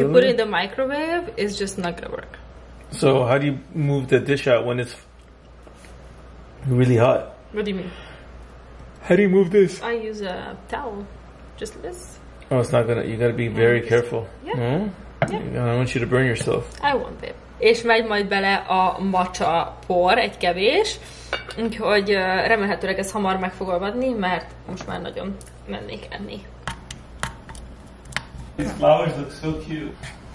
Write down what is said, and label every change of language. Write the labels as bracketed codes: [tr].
[en] You put it in the microwave, it's just not gonna work. So how do you move the dish out when it's really hot? What do you mean? How do you move this? I use a towel. Just this. Oh, it's not gonna... You gotta be very careful. Yeah. I don't want you to burn yourself. I won't, babe. [hu] és megy majd bele a matcha por egy kevés, úgyhogy remélhetőleg ez hamar meg fog olvadni, mert most már nagyon mennék enni. [en] These flowers look so cute.